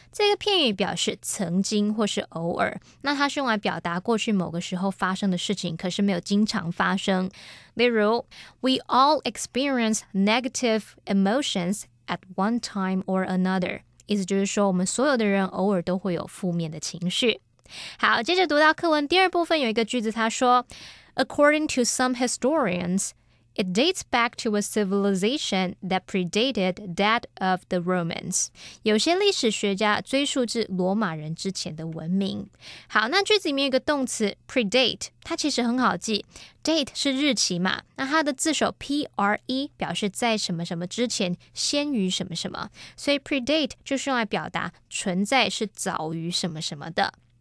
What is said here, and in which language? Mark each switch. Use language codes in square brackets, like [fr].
[zh] 这个片语表示曾经或是偶尔。那它是用来表达过去某个时候发生的事情，可是没有经常发生。例如 [en] ,We all experience negative emotions at one time or another. [zh] 意思就是说我们所有的人偶尔都会有负面的情绪。好，接着读到课文第二部分有一个句子，它说 [en] According to some historians, it dates back to a civilization that predated that of the Romans. [zh] 有些历史学家追溯至罗马人之前的文明。好，那句子里面有一个动词 predate， 它其实很好记。 Date 是日期嘛，那它的字首 P-R-E 表示在什么什么之前，先于什么什么。所以 predate 就是用来表达存在是早于什么什么的。